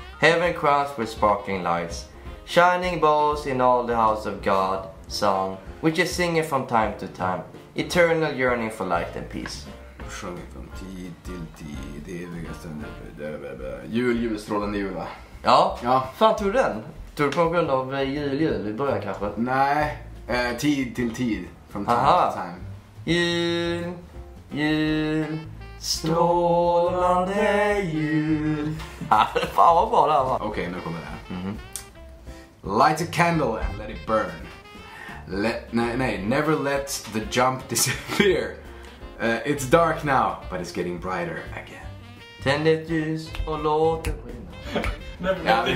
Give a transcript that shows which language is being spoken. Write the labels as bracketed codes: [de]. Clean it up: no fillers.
[en] Heaven crowned with sparkling lights. Shining balls in all the house of God, song, which is singing from time to time, eternal yearning for light and peace. [sv] Sjunger från tid till tid, eviga stunder, jul, strålande jul, va? Ja, ja. Fan, tror du den? Tror du på grund av jul i början kanske? Nej, tid till tid, [en] from time to time. [sv] Jul, strålande jul. Fan, vad bra det här var. Okej, nu kommer det här. [en] Light a candle and let it burn. Never let the jump disappear. It's dark now, but it's getting brighter again. [sv] Tänd ett ljus och låt det brinna.